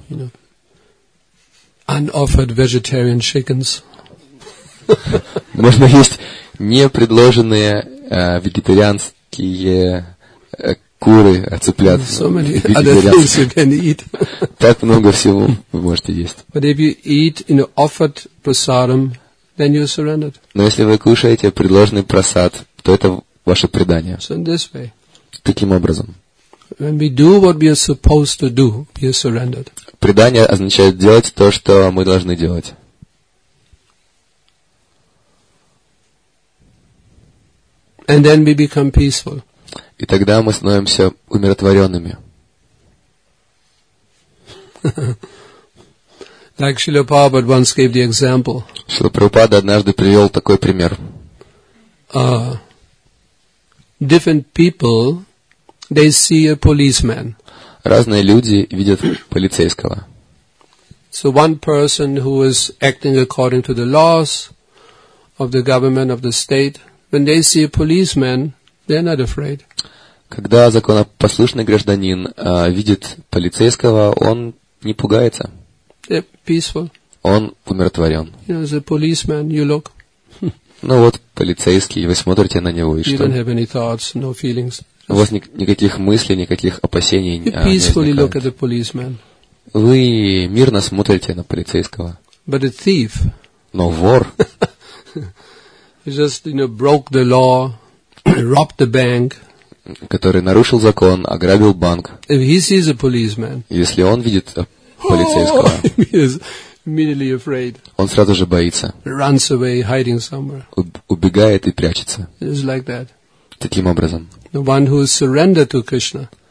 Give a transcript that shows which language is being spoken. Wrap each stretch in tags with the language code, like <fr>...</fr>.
<en>You know, unoffered vegetarian chickens.</en> <ru>Можно есть непредложенные вегетарианские куры, цыплят.</ru> <en>So many other things you can eat.</en> <ru>Так много всего вы можете есть.</ru> <en>But if you eat in offered prasadam, then you're surrendered.</en> <ru>Но если вы кушаете предложенный просад, то это ваше предание.</ru> <en>So in this way.</en> <ru>Таким образом.</ru> <en>When we do what we are supposed to do, we are surrendered.</en> <ru>Предание означает делать то, что мы должны делать.</ru> <en>And then we become peaceful.</en> <ru>И тогда мы становимся умиротворенными.</ru> <en>Like Srila Prabhupada once gave the example.</en> <ru>Шрила Прабхупада однажды привел такой пример.</ru> <en>Different people. They see a policeman.</en> <ru>Разные люди видят полицейского.</ru> <en>So one person who is acting according to the laws of the government of the state, when they see a policeman, they're not afraid.</en> <ru>Когда законопослушный гражданин видит полицейского, он не пугается.</ru> <en>They're peaceful.</en> <ru>Он умиротворен.</ru> <en>You know, the policeman, you look.</en> <ru>Ну вот полицейский, вы смотрите на него и что?</ru> <en>You don't have any thoughts, no feelings.</en> <ru>У вас никаких мыслей, никаких опасений не возникает.</ru> <en>You peacefully look at the policeman.</en> <ru>Вы мирно смотрите на полицейского.</ru> <en>But a thief.</en> <ru>Но вор.</ru> <en>He just, you know, broke the law, robbed the bank.</en> <ru>Который нарушил закон, ограбил банк.</ru> <en>If he sees a policeman.</en> <ru>Если он видит полицейского.</ru> <en>Immediately afraid.</en> <ru>Он сразу же боится.</ru> <en>Runs away, hiding somewhere.</en> <ru>Убегает и прячется.</ru> <en>Just like that.</en> <ru>Таким образом.</ru> <en>The one who is surrendered to Krishna.</en>